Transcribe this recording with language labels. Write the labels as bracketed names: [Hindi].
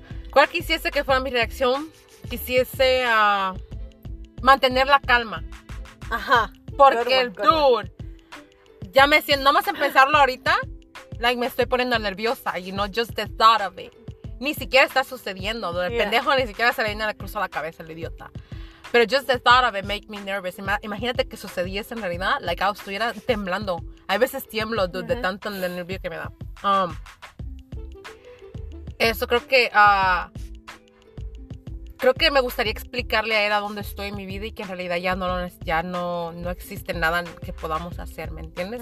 [Spanish] ¿Cuál quisiese que fuera mi reacción? Quisiese mantener la calma. Ajá. Porque el dude... ya me siento, nomás en pensarlo ahorita, me estoy poniendo nerviosa, [English] you know, just the thought of it. [Spanish] Ni siquiera está sucediendo, el pendejo ni siquiera se le viene a la cruz a la cabeza, el idiota. [English] Pero just the thought of it make me nervous. [Spanish] Imagínate que sucediese en realidad, estuviera temblando. Hay veces tiemblo, dude, de tanto el nervio que me da. Eso creo que me gustaría explicarle a él a dónde estoy en mi vida y que en realidad ya no existe nada que podamos hacer, ¿me entiendes?